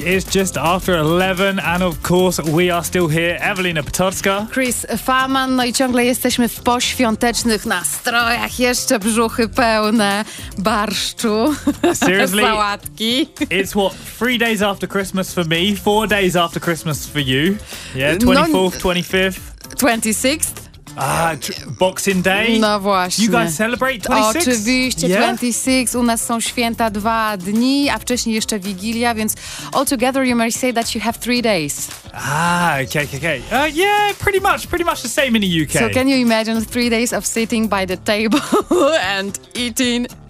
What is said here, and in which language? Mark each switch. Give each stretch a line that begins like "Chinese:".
English: It's just after 11, and of course, we are still here. Ewelina Potocka. Chris Farman.
Polish: No i ciągle jesteśmy w poświątecznych nastrojach. Jeszcze brzuchy pełne barszczu.
English: Seriously?
Polish: Sałatki.
English: It's what, 3 days after Christmas for me, 4 days after Christmas for you. Yeah, 24th, 25th. 26th. Boxing Day?
Polish: No właśnie.
English: You guys celebrate 26?
Polish: Oczywiście, yeah? 26. U nas są święta 2 dni, a wcześniej jeszcze Wigilia, więc
English: all together you may say that you have 3 days. Okay. Pretty much the same in the UK. So can you imagine 3 days of sitting by the table and eating?